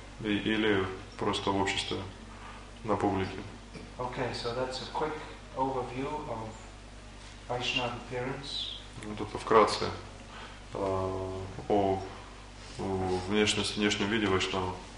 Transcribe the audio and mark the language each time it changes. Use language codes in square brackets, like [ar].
[ru] Или просто в обществе, на публике. [en] Okay, so that's a quick overview of Vaishnava appearance. [ru] Вот это вкратце о внешнем виде Вайшнава.